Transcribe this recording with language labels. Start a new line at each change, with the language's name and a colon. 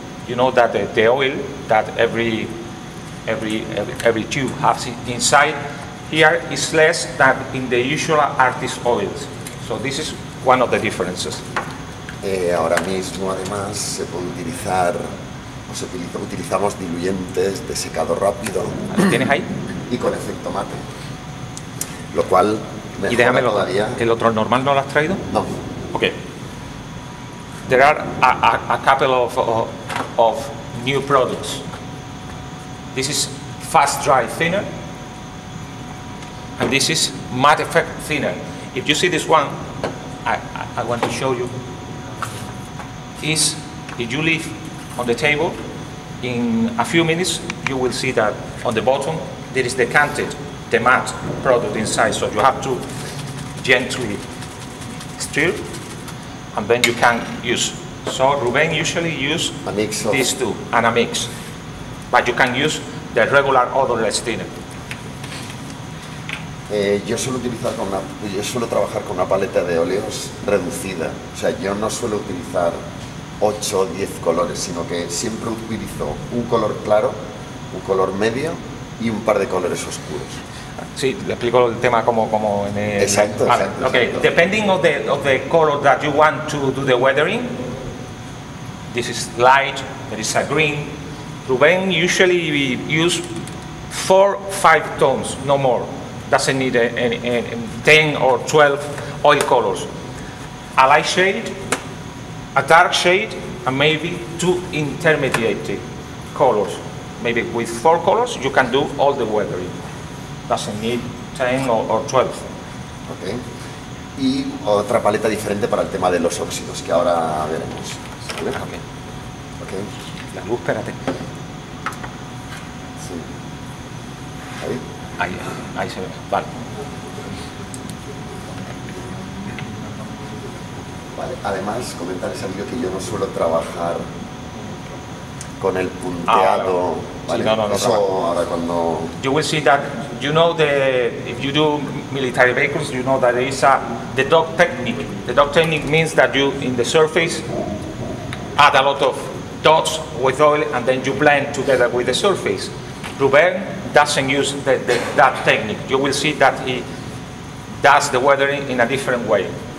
English: You know that the oil that every tube has inside here is less than in the usual artist oils. So this is one of the differences.
Spanish: Ahora mismo, además, se puede utilizar, utilizamos diluyentes de secado rápido. ¿Tienes ahí? Y con efecto mate. Lo cual mejora. ¿Y déjamelo todavía? ¿El otro normal no lo has traído? No.
English: Ok. There are a couple of new products. This is fast dry thinner, and this is matte effect thinner. If you see this one, I want to show you. Is if you leave on the table, in a few minutes you will see that on the bottom there is decanted the matte product inside. So you have to gently stir, and then you can use. So Ruben usually use a mix of these two and a mix, but you can use the regular odorless thinner.
Spanish: Yo suelo trabajar con una paleta de óleos reducida. O sea, yo no suelo utilizar 8 o 10 colores, sino que siempre utilizo un color claro, un color medio y un par de colores oscuros. Sí, le explico el tema como en el. Exacto. Vale.
English: Okay, depending of the color that you want to do the weathering, this is light, there is a green. Ruben usually use 4-5 tones, no more. Doesn't need any 10 or 12 oil colors. A light shade, a dark shade, and maybe two intermediate colors. Maybe with 4 colors, you can do all the weathering. Doesn't need 10 or 12. Okay.
Spanish: Y otra paleta diferente para el tema de los óxidos, que ahora veremos. Okay. Okay. La luz, espérate. Ahí se ve. Vale. Vale. Además, comentarles algo que yo no suelo trabajar con el punteado. Ah, vale. Vale. Sí, no. Eso ahora cuando.
English: You will see that you know the if you do military vehicles, you know that there is the dog technique. The dog technique means that you in the surface add a lot of dots with oil and then you blend together with the surface. Ruben doesn't use that technique. You will see that he does the weathering in a different way.